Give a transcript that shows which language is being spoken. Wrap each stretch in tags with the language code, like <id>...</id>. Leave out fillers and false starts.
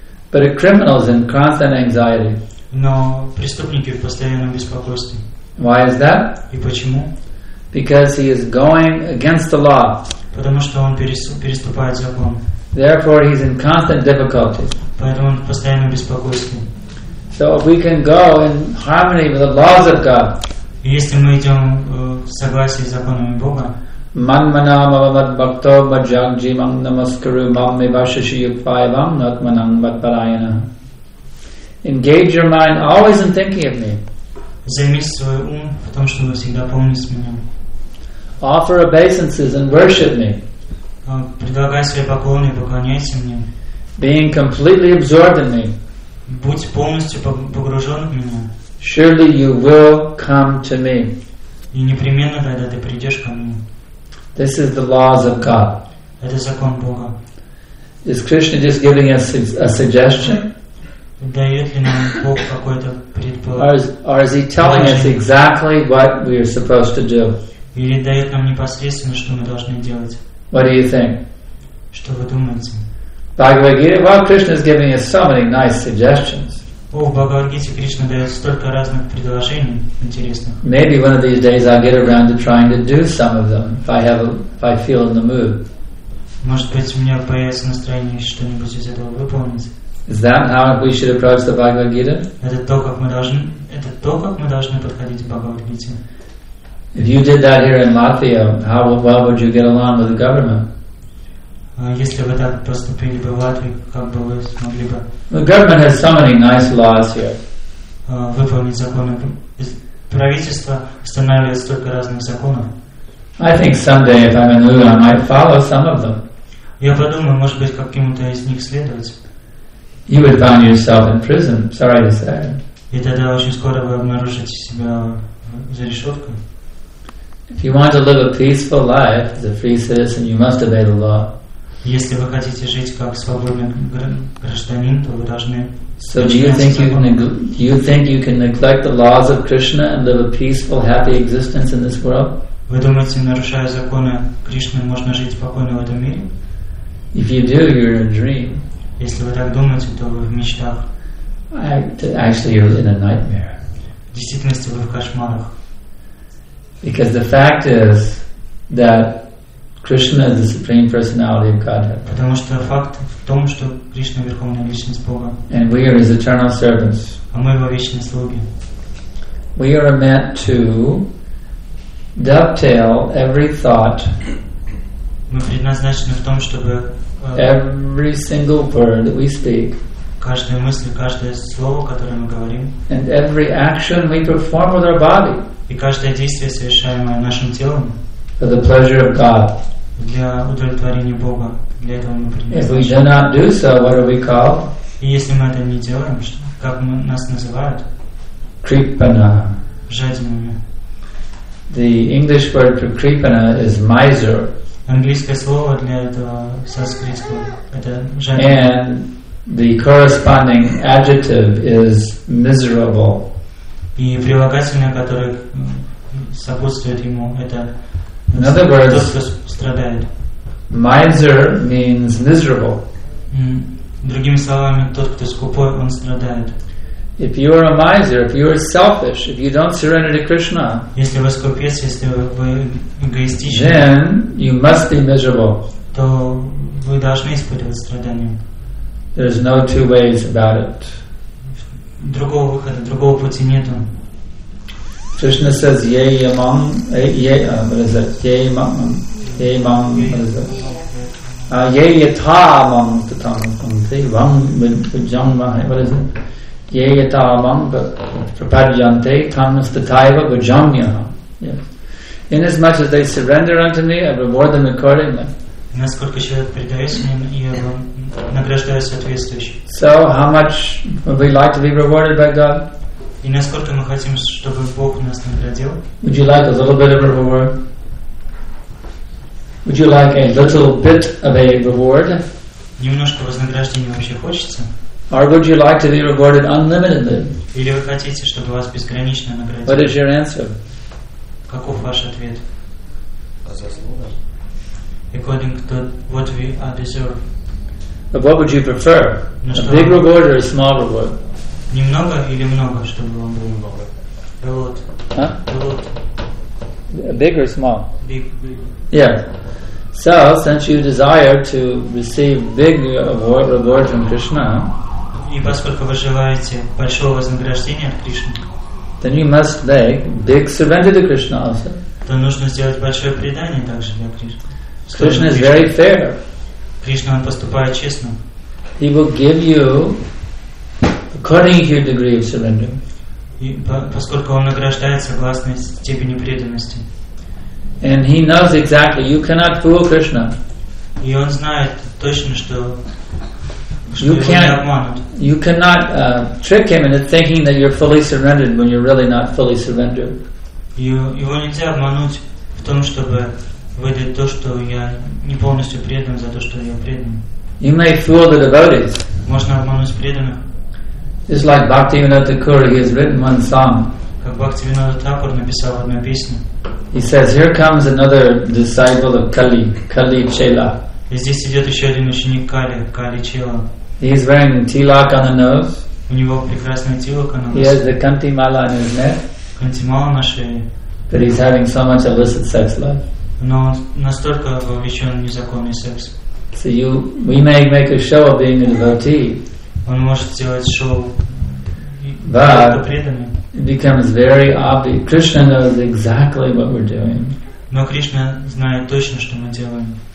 <en>But a criminal is in constant anxiety.</en> <ru>Но преступники в постоянном беспокойстве.</ru> <en>Why is that?</en> <ru>И почему?</ru> <en>Because he is going against the law.</en> <ru>Потому что он переступает закон.</ru> <en>Therefore, he's in constant difficulty.</en> <ru>Поэтому он в постоянном беспокойстве.</ru> <en>So if we can go in harmony with the laws of God.</en> <ru>И если мы идем в согласии с законами Бога.</ru> <sa>Манманамавадбакто маджанджи мангнамаскару мамми башашиюкпайвам натманан ватпарайана.</sa> <en>Engage your mind always in thinking of me.</en> <ru>Займись свой ум в том, чтобы всегда помнить меня.</ru> <en>Offer obeisances and worship me.</en> <ru>Предлагай свои поклоны, поклоняйся мне.</ru> <en>Being completely absorbed in me.</en> <ru>Будь полностью погружен в меня.</ru> <en>Surely you will come to me.</en> <ru>И непременно тогда ты придешь ко мне.</ru> <en>This is the laws of God.</en> <ru>Это закон Бога.</ru> <en>Is Krishna just giving us a suggestion?</en> <ru>Дает ли нам Бог какой-то предположение?</ru> <en>Or is he telling us exactly what we are supposed to do?</en> <ru>Или дает нам непосредственно, что мы должны делать?</ru> <en>What do you think?</en> <ru>Что вы думаете?</ru> <en>Bhagavad Gita, well, Krishna is giving us so many nice suggestions.</en> <ru>О, в Бхагавад Гите Кришна дает столько разных предложений интересных.</ru> <en>Maybe one of these days I'll get around to trying to do some of them if I feel in the mood.</en> <ru>Может быть, у меня появится настроение что-нибудь из этого выполнить.</ru> <en>Is that how we should approach the Bhagavad Gita?</en> <ru>Это то, как мы должны подходить к Бхагавад Гите.</ru> <en>If you did that here in Latvia, how well would you get along with the government?</en> <ru>Если бы так поступили бы в Латвии, как бы вы смогли бы?</ru> <en>The government has so many nice laws here.</en> <ru>Выполнить законы. Правительство устанавливает столько разных законов.</ru> <en>I think someday, if I'm in Luna, I might follow some of them.</en> <ru>Я подумаю, может быть, каким-то из них следовать.</ru> <en>You would find yourself in prison, sorry to say.</en> <ru>И тогда очень скоро вы обнаружите себя за решеткой.</ru> <en>If you want to live a peaceful life as a free citizen, you must obey the law.</en> <ru>Если вы хотите жить как свободный гражданин, то вы должны.</ru> <en>So do you think you can neglect the laws of Krishna and live a peaceful, happy existence in this world?</en> <ru>Вы думаете, нарушая законы Кришны, можно жить спокойно в этом мире?</ru> <en>If you do, you're in a dream.</en> <ru>Если вы так думаете, то вы в мечтах.</ru> <en>Actually, you're in a nightmare.</en> <ru>В действительности вы в кошмарах.</ru> <en>Because the fact is that Krishna is the Supreme Personality of Godhead.</en> <ru>Потому что факт в том, что Кришна верховная личность Бога.</ru> <en>And we are His eternal servants.</en> <ru>А мы его вечные слуги.</ru> <en>We are meant to dovetail every thought.</en> <ru>Мы предназначены в том, чтобы</ru> <en>every single word that we speak.</en> <ru>Каждая мысль, каждое слово, которое мы говорим.</ru> <en>And every action we perform with our body.</en> <ru>И каждое действие, совершаемое нашим телом.</ru> <en>For the pleasure of God.</en> <ru>Для удовлетворения Бога. Для этого мы предназначены.</ru> <en>If we do not do so, what are we called?</en> <ru>И если мы это не делаем, как нас называют?</ru> <sa>Kripana.</sa> <ru>Жадными.</ru> <en>The English word for kripana is miser.</en> <ru>Английское слово для этого санскритского это жадный.</ru> <en>And the corresponding adjective is miserable.</en> <ru>И прилагательное, которое сопутствует ему, это</ru> <en>In other words,</en> <ru>тот, кто страдает.</ru> <en>Miser means miserable.</en> <ru>Другими словами, тот, кто скупой, он страдает.</ru> <en>If you are a miser, if you are selfish, if you don't surrender to Krishna,</en> <ru>если вы скупец, если вы эгоистичны,</ru> <en>then you must be miserable.</en> <ru>То вы должны испытывать страдания.</ru> <en>There is no two ways about it.</en> <ru>Другого выхода, другого пути нету.</ru> <en>Krishna says, Inasmuch as they surrender unto me, I reward them accordingly.</en> <ru>Насколько человек предается им, я награждаю соответствующий.</ru> <en>So how much would we like to be rewarded by God?</en> <ru>И насколько мы хотим, чтобы Бог нас наградил?</ru> <en>Would you like a little bit of a reward? Would you like a little bit of a reward?</en> <ru>Немножко вознаграждения вообще хочется?</ru> <en>Or would you like to be rewarded unlimitedly?</en> <ru>Или вы хотите, чтобы вас безгранично наградили?</ru> <en>What is your answer?</en> <ru>Каков ваш ответ? А заслуга?</ru> <en>According to what we deserve. But what would you prefer?</en> <ru>Ну,</ru> <en>a big reward or a small reward?</en> <ru>Немного или много, чтобы вам было много?</ru> <en>A lot. Huh? A lot. Big or small? Big. Yeah. So, since you desire to receive big reward from Krishna,</en> <ru>и поскольку вы желаете большого вознаграждения от Кришны,</ru> <en>then you must make big surrender to Krishna also.</en> <ru>То нужно сделать большое предание также для Кришны.</ru> <en>Krishna is very fair.</en> <ru>Кришна, он поступает честно.</ru> <en>He will give you according to your degree of surrender.</en> <ru>И поскольку он награждает согласно степени преданности.</ru> <en>And he knows exactly you cannot fool Krishna.</en> <ru>И он знает точно, что</ru> <en>You cannot trick him into thinking that you're fully surrendered when you're really not fully surrendered.</en> <ru>Его нельзя обмануть в том, чтобы выдать то, что я не полностью предан за то, что я предан.</ru> <en>You may fool the devotees.</en> <ru>Можно обмануть преданных.</ru> <en>It's like Bhaktivinoda Thakur, he has written one song.</en> <ru>Как Бхактивинода Тхакур написал одну песню.</ru> <en>He says, "Here comes another disciple of Kali, Kali Chela."</en> <ru>И здесь идет еще один ученик Кали, Кали Чела.</ru> <en>He is wearing tilak on the nose.</en> <ru>У него прекрасный тилак на носу.</ru> <en>He has the kanti mala on his neck.</en> <ru>Kanti mala на шее.</ru> <en>But he's having so much illicit sex life.</en> <ru>Но настолько вовлечен в незаконный секс.</ru> <en>So you, we may make a show of being a devotee.</en> <ru>Он может сделать шоу.</ru> <en>But it becomes very obvious. Krishna knows exactly what we're doing.</en> <ru>Но Кришна знает точно, что мы делаем.</ru>